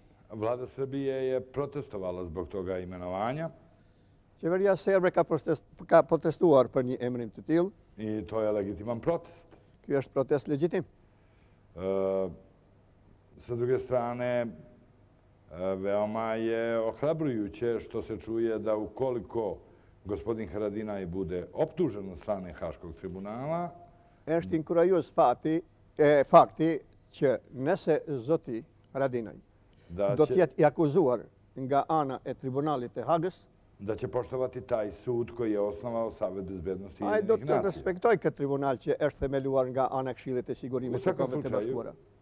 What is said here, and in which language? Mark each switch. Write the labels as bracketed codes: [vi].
[sr] Vlada Srbije je protestovala zbog toga imenovanja. [sq] Qeveria serbe ka protestuar për një emrim të tillë. [sr] I to je legitiman protest. [sq] Ky është protest legitim. [sr] Sa druge strane, veoma je ohrabrujuće što se čuje da ukoliko gospodin Haradinaj bude optužen od strane Haškog tribunala... [sq] Është inkurajus fati, fakti që nëse zoti Haradinaj do tjetë i akuzuar nga ana e tribunalit e Hagës, [sr] da će poštovati taj sud koji je osnovao Savet bezbednosti i Ujedinjenih nacija. [sq] Ajde, do të respektoj këtë tribunal që është themeluar nga ana Këshillit e Sigurimit të Kombeve të Bashkuara.